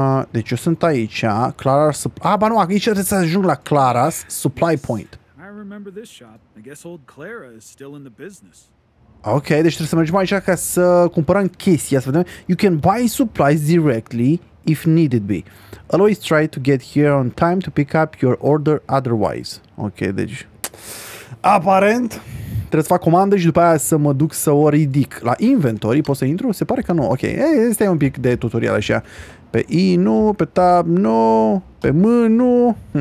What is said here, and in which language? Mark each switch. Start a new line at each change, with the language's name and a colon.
Romanian: Deci eu sunt aici, Clara, aici trebuie să ajung la Clara's supply point.
English: I remember this shop. I guess old Clara is still in the business.
Romanian: Ok, deci trebuie să mergem aici ca să cumpărăm chestia, să vedem.
English: You can buy supplies directly if needed be. Always try to get here on time to pick up your order otherwise.
Romanian: Ok, deci aparent trebuie să fac comandă și după aia să mă duc să o ridic. La inventory pot să intru? Se pare că nu. Ok, este un pic de tutorial așa. Pe I nu, pe tab nu, pe M nu.